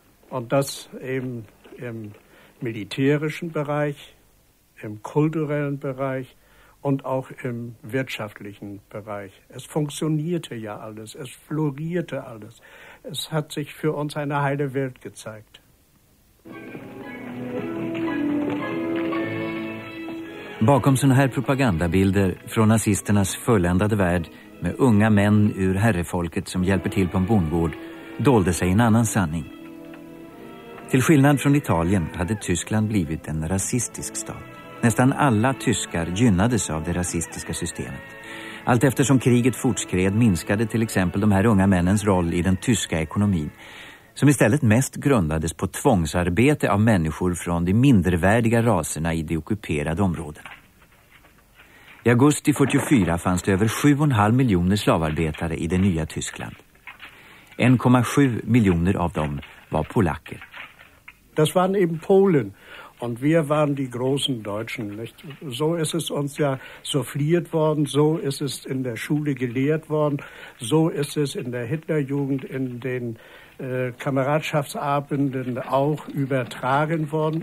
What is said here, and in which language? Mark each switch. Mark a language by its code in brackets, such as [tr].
[de] Und das eben im militärischen Bereich, im kulturellen Bereich und auch im wirtschaftlichen Bereich. Es funktionierte ja alles, es florierte alles. Es hat sich für uns eine heile Welt gezeigt. [sv] Bakom såna här propagandabilder från nazisternas fulländade värld med unga män ur herrefolket som hjälper till på en bondgård dolde sig en annan sanning. Till skillnad från Italien hade Tyskland blivit en rasistisk stat. Nästan alla tyskar gynnades av det rasistiska systemet. Allt eftersom kriget fortskred minskade till exempel de här unga männens roll i den tyska ekonomin, som istället mest grundades på tvångsarbete av människor från de mindervärdiga raserna i de ockuperade områdena. I augusti 44 fanns det över 7,5 miljoner slavarbetare i det nya Tyskland. 1,7 miljoner av dem var polacker. [de] Das waren eben Polen und wir waren die großen Deutschen. Nicht? So ist es uns ja souffliert worden, so ist es in der Schule gelehrt worden, so ist es in der Hitlerjugend, in den Kameradschaftsabenden auch übertragen worden.